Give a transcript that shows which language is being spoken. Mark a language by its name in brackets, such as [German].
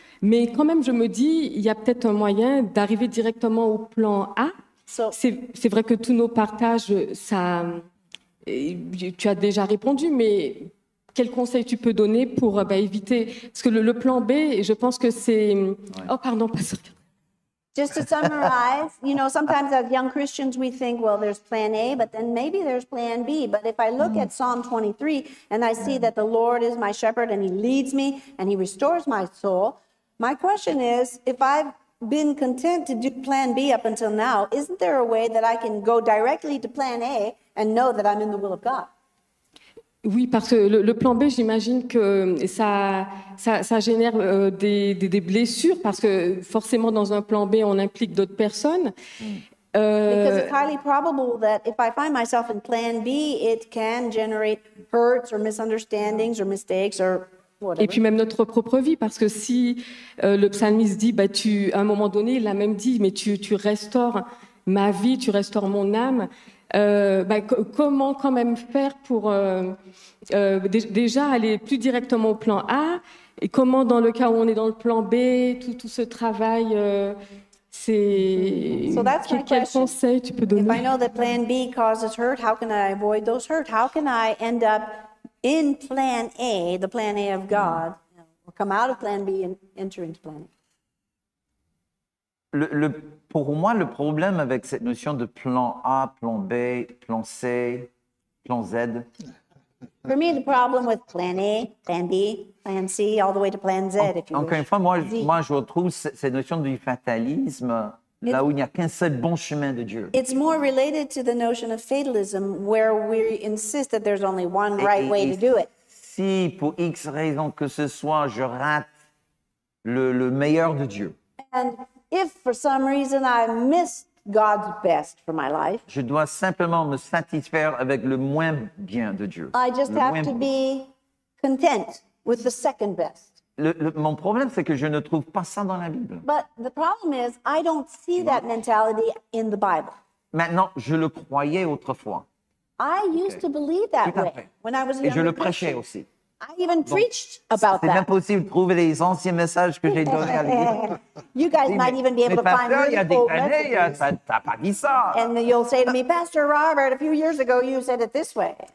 [French] Mais quand même, je me dis, il y a peut-être un moyen d'arriver directement au plan A. C'est vrai que tous nos partages, ça, tu as déjà répondu, mais quel conseil tu peux donner pour éviter... Parce que le plan B, je pense que c'est... Ouais. Oh, pardon, pas sûr. [English] Just to summarize, you know, sometimes as young Christians, we think, well, there's plan A, but then maybe there's plan B. But if I look at Psalm 23, and I see that the Lord is my shepherd, and he leads me, and he restores my soul, my question is, if I've been content to do plan B up until now, isn't there a way that I can go directly to plan A and know that I'm in the will of God? [French] Oui, parce que le plan B, j'imagine que ça génère des blessures, parce que forcément dans un plan B, on implique d'autres personnes. [English] Because it's highly probable that if I find myself in plan B, it can generate hurts or misunderstandings or mistakes or whatever. [French] Et puis même notre propre vie, parce que si le psalmiste dit, à un moment donné, il l'a même dit, mais tu restaures ma vie, tu restaures mon âme. Comment quand même faire pour déjà aller plus directement au plan A, et comment dans le cas où on est dans le plan B, tout ce travail, quel conseil tu peux donner? [English] If I know that plan B causes hurt, how can I avoid those hurt? How can I end up in plan A, the plan A of God, or come out of plan B and enter into plan A? [French] Pour moi, le problème avec cette notion de plan A, plan B, plan C, plan Z. [English] For me, the problem with plan A, plan B, plan C, all the way to plan Z. [French] Encore une fois, moi, je retrouve cette notion du fatalisme là où il n'y a qu'un seul bon chemin de Dieu. [English] It's more related to the notion of fatalism, where we insist that there's only one right way to do it. [French] Si pour X raison que ce soit, je rate le meilleur de Dieu. [English] And if for some reason I missed God's best for my life, [French] je dois simplement me satisfaire avec le moins bien de Dieu. [English] I just have to be content with the second best. [French] Mon problème, c'est que je ne trouve pas ça dans la Bible. [English] But the problem is, I don't see that mentality in the Bible. [French] Maintenant, je le croyais autrefois. [English] I used to believe that way when I was a younger Christian. [French] Aussi. [English] I even preached about that. [French] C'est impossible de trouver les anciens messages que j'ai donnés à l'église. [English] You guys might even be able to find really old messages. [French] T'as pas dit ça. [English] And you'll say to me, Pastor Robert, a few years ago, you said it this way.